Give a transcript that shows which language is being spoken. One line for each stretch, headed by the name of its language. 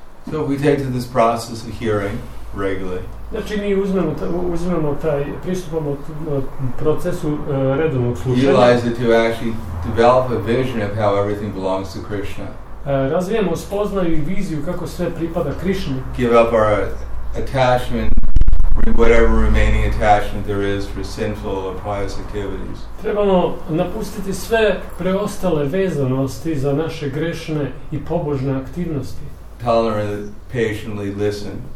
English: So if we take to this process of hearing. regularly.
Bosnian: Znači mi uzmemo taj pristupamo procesu redovnog slušanja.
English: Utilize it to actually develop a vision of how everything belongs to Krishna.
Bosnian: Razvijemo spoznaju i viziju kako sve pripada Krishni.
English: Give up our attachment, whatever remaining attachment there is for sinful or pious activities.
Bosnian: Trebamo napustiti sve preostale vezanosti za naše grešne i pobožne aktivnosti.
English: Tolerant, patiently listen.